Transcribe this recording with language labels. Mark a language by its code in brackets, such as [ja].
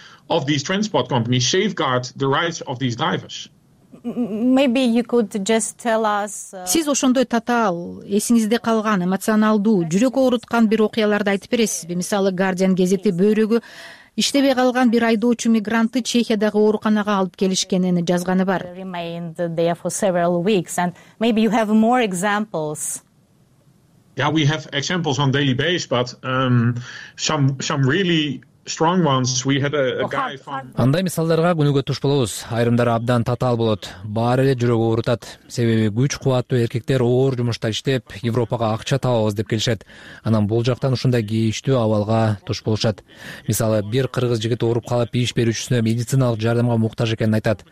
[en] Of these transport companies safeguard the rights of these divers. Maybe you could just tell us. [ky] Сиз ошондой татаал, эсиңизде калган, эмоционалдуу, жүрөк ооруткан бир окуяларды айтып бересизби? Мисалы, Guardian гезети бөйрөгү иштебей калган бир айдоочу мигрантты Чехиядагы ооруканага алып келишкенин жазганы бар. [en] Remained there for several weeks and maybe you have more examples. Yeah, we have examples on daily basis, but some really strong ones. We had a guy from [ky] андай мисалдарга күнүгө туш болобуз. Айрымдары абдан татаал болот, баары эле жүрөк оорутат. Себеби күч кубаттуу эркектер оор жумушта иштеп, Европага акча табабыз деп келишет. Анан бул жактан ушундай кейиштүү абалга туш болушат. Мисалы, бир кыргыз жигит ооруп калып, иш берүүчүсүнө медициналык жардамга муктаж экенин айтат.